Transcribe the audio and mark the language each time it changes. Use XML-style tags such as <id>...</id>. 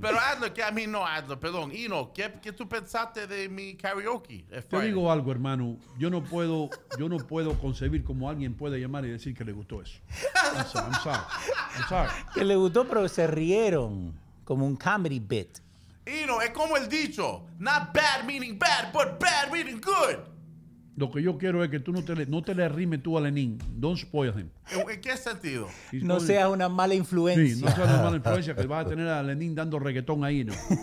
<es>Pero Adler, que a mí no, Adler, perdón. Ino, ¿qué tú pensaste de mi karaoke? Te digo algo, hermano. Yo no puedo concebir cómo alguien puede llamar y decir que le gustó eso.</es> <en>I'm sorry.</en> <es>Que le gustó, pero se rieron como un</es> <en>comedy bit.</en> <es>Ino, es como el dicho.</es> <en>Not bad meaning bad, but bad meaning good.</en> <es>Lo que yo quiero es que tú no te le arrimes tú a Lenín.</es> <en>Don't spoil him.</en> <es>¿En qué sentido? No seas una mala influencia. Sí, no seas una mala influencia, que vas a tener a Lenín dando reggaetón ahí, ¿no?</es>